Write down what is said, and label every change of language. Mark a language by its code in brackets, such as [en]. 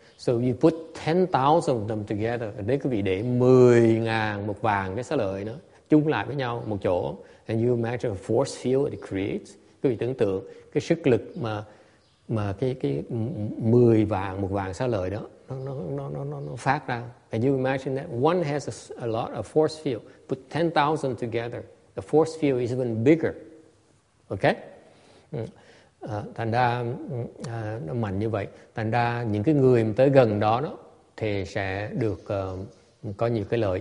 [en] So you put 10,000 of them together, and then [vi] quý vị để 10,000 một vàng cái xá lợi nữa chung lại với nhau một chỗ, [en] and you imagine a force field it creates. [vi] Quý vị tưởng tượng cái sức lực mà cái 10 vàng một vàng xá lợi đó nó phát ra. [en] Can you imagine that? One has a lot of force field. Put 10,000 together, the force field is even bigger. [vi] Okay? Thành ra nó mạnh như vậy. Thành ra những cái người tới gần đó, đó thì sẽ được có nhiều cái lợi.